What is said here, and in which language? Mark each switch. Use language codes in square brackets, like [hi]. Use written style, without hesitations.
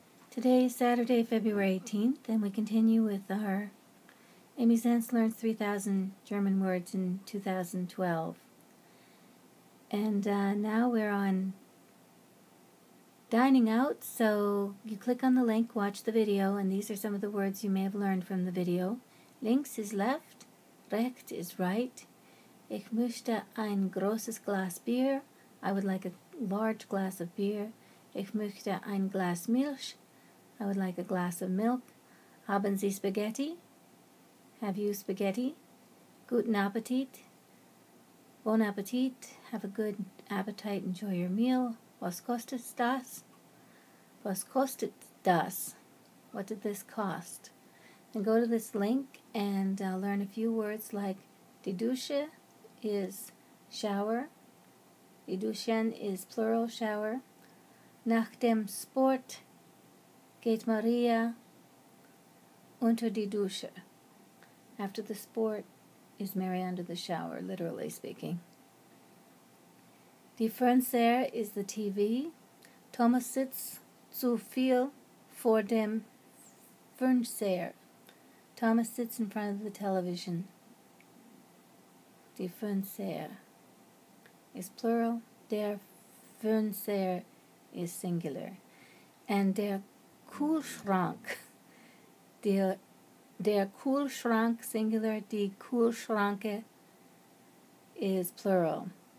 [en] Today is Saturday, February 18th, and we continue with our Amy Zents Learns 3,000 German Words in 2012. And now we're on dining out, so you click on the link, watch the video, and these are some of the words you may have learned from the video. Links is left, recht is right. [de] Ich möchte ein großes Glas Bier. [en] I would like a large glass of beer. [de] Ich möchte ein Glas Milch. [en] I would like a glass of milk. [de] Haben Sie Spaghetti? [en] Have you spaghetti? [de] Guten Appetit. Bon Appetit. [en] Have a good appetite. Enjoy your meal. [de] Was kostet das? Was kostet das? [en] What did this cost? And go to this link and learn a few words like die Dusche is shower. Die Duschen is plural shower. [de] Nach dem Sport geht Maria unter die Dusche. [en] After the sport is Mary under the shower, literally speaking. Die Fernseher is the TV. [de] Thomas sitzt zu viel vor dem Fernseher. [en] Thomas sits in front of the television. Die Fernseher is plural. Der Fernseher is singular. And der Kühlschrank. Der Kühlschrank, singular. Die Kühlschranke is plural.